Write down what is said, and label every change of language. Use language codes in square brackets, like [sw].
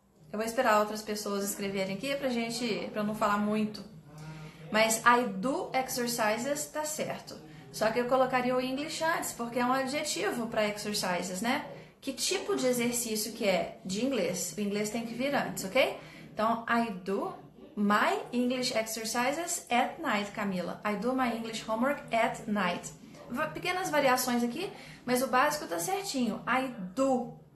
[pt] Eu vou esperar outras pessoas escreverem aqui pra eu não falar muito. Mas [en] I do exercises [pt] tá certo. Só que eu colocaria o English antes, porque é um adjetivo para exercises, né? Que tipo de exercício que é de inglês? O inglês tem que vir antes, ok? [en] Então, I do my English exercises at night, Camila. I do my English homework at night. [pt] Pequenas variações aqui, mas o básico tá certinho. I do...